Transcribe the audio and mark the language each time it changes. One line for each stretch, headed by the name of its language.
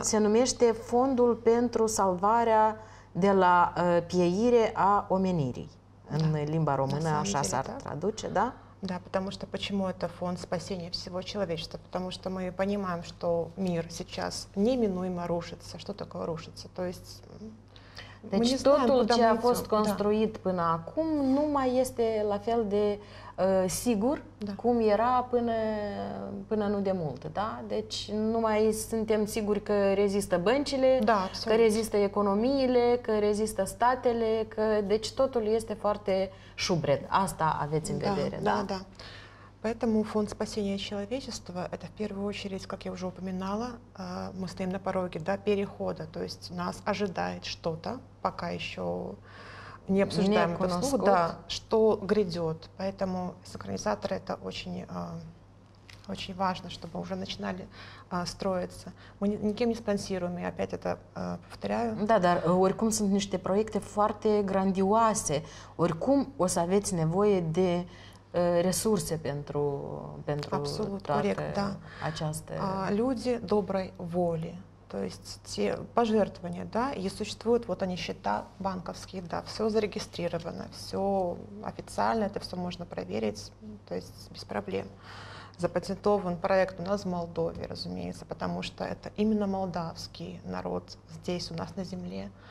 Romanian: se numește Fondul pentru salvarea de la pieire a omenirii. În limba română așa s-ar traduce, da?
Russian: Да, потому что почему это фонд спасения всего человечества? Потому что мы понимаем, что мир сейчас неминуемо рушится. Что такое рушится? То есть мы не знаем, куда мы идем. Значит,
Romanian: totul ce a fost construit până acum nu mai este la fel de sigur cum era până nu de mult, da? Deci nu mai suntem siguri că rezistă băncile, că rezistă economiile, că rezistă statele, că deci totul este foarte șubred. Asta aveți în vedere, da? Da, da.
Russian: Поэтому фонд спасения человечества это в первую очередь, как я уже упоминала, мы стоим на пороге, да, перехода, то есть нас ожидает что-то, пока еще не обсуждаем это вслух, да, что грядет. Поэтому синхронизаторы — это очень важно, чтобы уже начинали строиться. Мы никем не спонсируем, я опять это повторяю. Да, да,
Romanian: oricum sunt niște proiecte foarte grandioase. Oricum o să aveți nevoie de
Russian: ресурсы
Romanian: pentru Absolut, toate corect, да. Această...
Russian: Люди доброй воли. то есть те пожертвования, да, и существуют вот они счета банковские, да, все зарегистрировано, все официально, это все можно проверить, то есть без проблем. Запатентован проект у нас в Молдове, разумеется, потому что это именно молдавский народ здесь у нас на земле.